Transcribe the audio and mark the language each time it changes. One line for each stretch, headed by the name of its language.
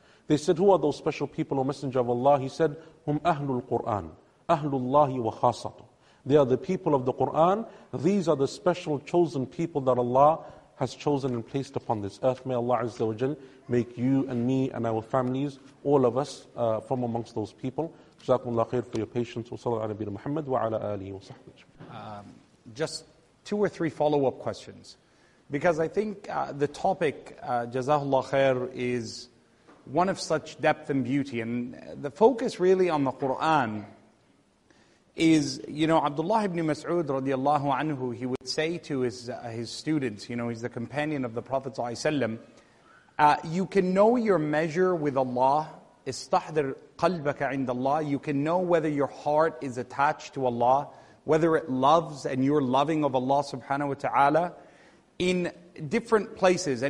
English: They said, who are those special people, O Messenger of Allah? He said,
Arabic: هُمْ أَهْلُ الْقُرْآنِ أَهْلُ اللَّهِ وَخَاصَةُ
English: They are the people of the Qur'an. These are the special chosen people that Allah has chosen and placed upon this earth. May Allah Azza wa Jal make you and me and our families, all of us, from amongst those people.
Arabic: جزاكم الله خير
English: for your patience.
Arabic: وصلى الله على نبينا محمد وعلى آله وصحبه أجمعين.
English: Just two or three follow-up questions. Because I think the topic, Jazahullah Khair, is one of such depth and beauty. And the focus really on the Qur'an is, you know, Abdullah ibn Mas'ud radiallahu anhu, he would say to his students, you know, he's the companion of the Prophet sallallahu alayhi wa sallam, you can know your measure with Allah,
Arabic: istahdir qalbaka inda Allah,
English: you can know whether your heart is attached to Allah, whether it loves and you're loving of Allah subhanahu wa ta'ala, in different places.